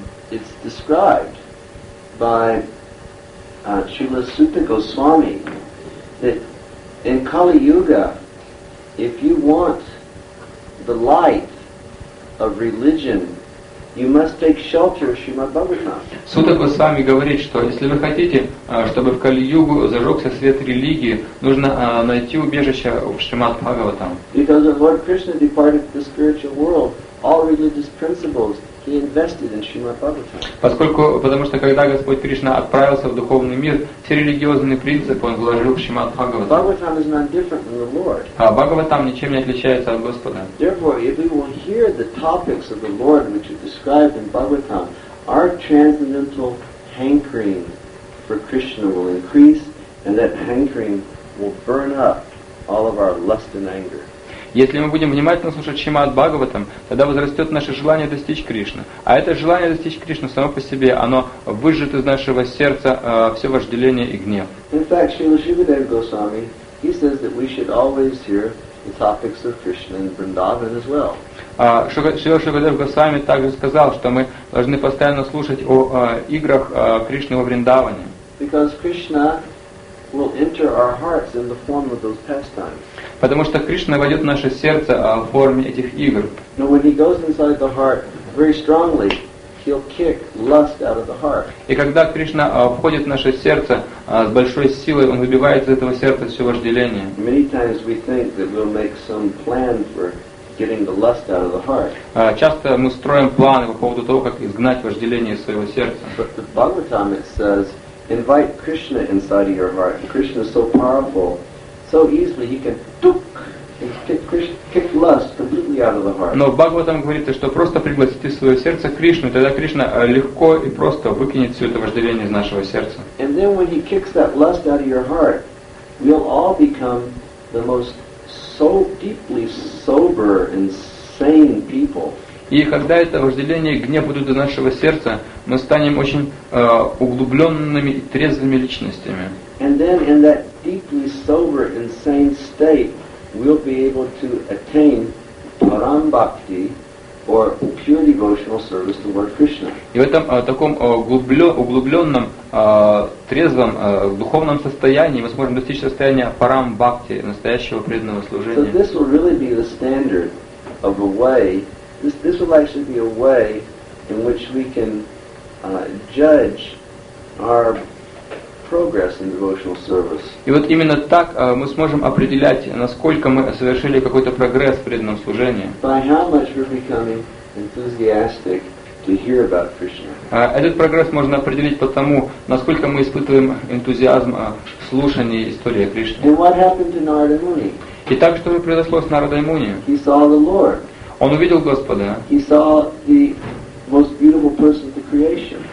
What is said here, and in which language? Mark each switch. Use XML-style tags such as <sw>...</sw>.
<en>It's described by Srila Sutta Goswami that in Kali Yuga, if you want the light of religion, you must take shelter of Srimad Bhagavatam.</en> <ru>Сута Госвами говорит, что если вы хотите, чтобы в Кали-Югу зажегся свет религии, нужно найти убежище в Шримад Бхагаватам.</ru> <en>Because when Lord Krishna departed the spiritual world, all religious principles he invested in Srimad Bhagavatam.</en> <ru>Потому что когда Господь Кришна отправился в духовный мир, все религиозные принципы он вложил в Шримад Бхагаватам.</ru> <en>Bhagavatam is not different than the Lord.</en> <ru>А Бхагаватам ничем не отличается от Господа.</ru> <en>Therefore, if we will hear the topics of the Lord which are described in Bhagavatam, our transcendental hankering for Krishna will increase, and that hankering will burn up all of our lust and anger.</en> <ru>Если мы будем внимательно слушать Шримад Бхагаватам, тогда возрастет наше желание достичь Кришны. А это желание достичь Кришны само по себе, оно выжжет из нашего сердца все вожделение и гнев.</ru> <en>In fact, Srila Shivadeva Goswami, he says that we should always hear the topics of Krishna in Vrindavan as well.</en> <ru>Srila Shivadeva Goswami также сказал, что мы должны постоянно слушать о играх Кришны во Вриндаване.</ru> <en>Because Krishna will enter our hearts in the form of those pastimes.</en> <ru>Потому что Кришна войдет в наше сердце в форме этих игр.</ru> <en>Now when he goes inside the heart very strongly, he'll kick lust out of the heart.</en> <ru>И когда Кришна входит в наше сердце с большой силой, он выбивает из этого сердца все вожделение.</ru> <en>Many times we think that we'll make some plan for getting the lust out of the heart.</en> <ru>Часто мы строим планы по поводу того, как изгнать вожделение из своего сердца.</ru> <en>But the Bhagavatam it says, invite Krishna inside of your heart. Krishna is so powerful, so easily he can tuk and kick lust completely out of the heart.</en> <ru>Но Бхагаватам говорится, что просто пригласите в свое сердце Кришну, тогда Кришна легко и просто выкинет все это вожделение из нашего сердца.</ru> <en>And then when he kicks that lust out of your heart, we'll all become the most so deeply sober and sane people.</en> <ru>И когда это вожделение и гнев будут до нашего сердца, мы станем очень углубленными и трезвыми личностями.</ru> <en>And then in that deeply sober and sane state, we'll be able to attain param bhakti or pure devotional service to Lord Krishna.</en> <ru>И в этом таком углубленном, трезвом, духовном состоянии мы сможем достичь состояния парам бхакти, настоящего преданного служения.</ru> <en>So this will really be the standard of a way. This will actually be a way in which we can judge our progress in devotional service.</en> <ru>И вот именно так мы сможем определять, насколько мы совершили какой-то прогресс в преданном служении.</ru> <en>By how much we're becoming enthusiastic to we hear about Krishna.</en> <ru>Этот прогресс можно определить по тому, насколько мы испытываем энтузиазм слушания истории Кришны.</ru> <en>Then what happened to Narada Muni?</en> <ru>Итак, что произошло с Нарадой Муни?</ru> <en>He saw the Lord.</en> <ru>Он увидел Господа.</ru> <en>He saw the most beautiful person of the creation.</en>